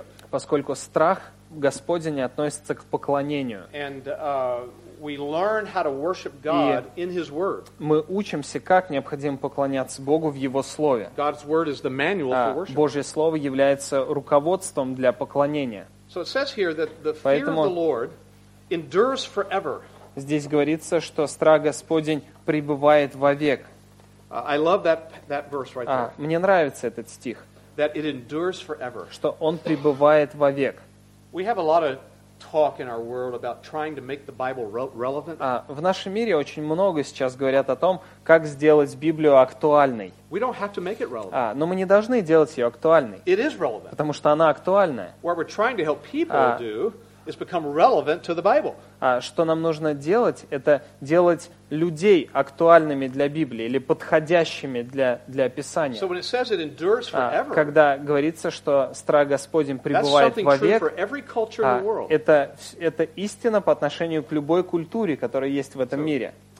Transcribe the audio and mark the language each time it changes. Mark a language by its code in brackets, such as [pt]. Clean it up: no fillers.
[ru] Поскольку страх Господень относится к поклонению. [en] We learn how to worship God in His Word. [ru] Мы учимся, как необходимо поклоняться Богу в Его Слове. [en] God's Word is the manual for worship. [ru] Божье Слово является руководством для поклонения. [en] So it says here that the fear of the Lord endures forever. [ru] Здесь говорится, что страх Господень пребывает вовек. [en] I love that verse right there. [ru] Мне нравится этот стих. [en] That it endures forever. [ru] Что он пребывает вовек. [en] We have a lot of talk in our world about trying to make the Bible relevant. [ru] В нашем мире очень много сейчас говорят о том, как сделать Библию актуальной. [en] We don't have to make it relevant. [ru] Но мы не должны делать ее актуальной. [en] It is relevant. [ru] Потому что она актуальная. [en] What we're trying to help people do is become relevant to the Bible. [ru] Что нам нужно делать, это делать людей актуальными для Библии или подходящими для Писания. [en] So when it says it endures forever, [ru] когда говорится, что страх Господень пребывает вовек, это истина по отношению к любой культуре, которая есть в этом мире.